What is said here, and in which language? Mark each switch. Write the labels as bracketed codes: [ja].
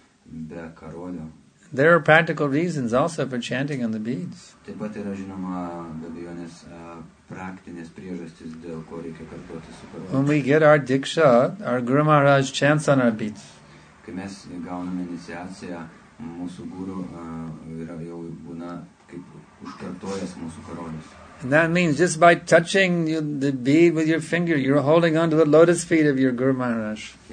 [en] There are practical reasons also for chanting on the beads. [lt] Taip pat yra žinoma, be abejonės, praktinės priežastys, dėl ko reikia kartuoti su karoliais. [en] When we get our diksha, our Guru Maharaj chants on our beads. [lt] Kai mes gauname iniciaciją, mūsų guru yra jau būna kaip užkartojęs mūsų karolius. [en] And that means just by touching the bead with your finger, you're holding onto the lotus feet of your Guru Maharaj.